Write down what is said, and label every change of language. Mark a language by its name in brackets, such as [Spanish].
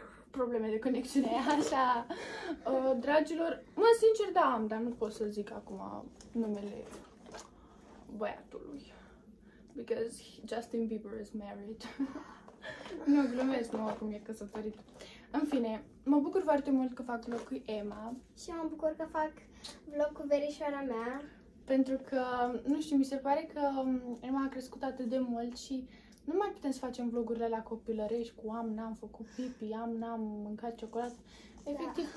[Romanian] Probleme de conexiune, așa. Dragilor, mă, sincer, da, am, dar nu pot să zic acum numele băiatului. [English] Because Justin Bieber is married. [Romanian] Nu, glumesc, nu, acum e căsătorit. În fine, mă bucur foarte mult că fac vlog cu Emma. Și mă bucur că fac vlog cu verișoara mea. Pentru că, nu știu, mi se pare că Emma a crescut atât de mult și Nu mai putem să facem vlogurile la copilărești cu am, n-am făcut pipi, am, n-am mâncat ciocolată. Efectiv, da.